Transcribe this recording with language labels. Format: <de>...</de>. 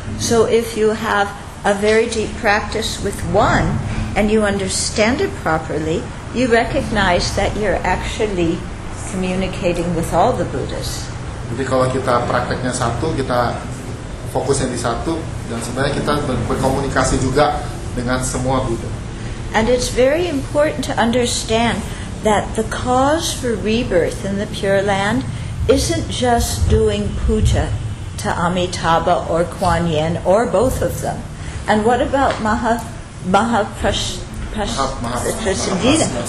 <en>So if you have a very deep practice with one and you understand it properly, you recognize that you're actually communicating with all the Buddhas.</en> <id>Jadi kalau kita prakteknya satu, kita fokusnya di satu, dan sebenarnya kita berkomunikasi juga dengan semua Buddha.</id> <en>And it's very important to understand that the cause for rebirth in the Pure Land isn't just doing puja to Amitabha or Kuan Yin or both of them. And what about Mahaprasangita?</en>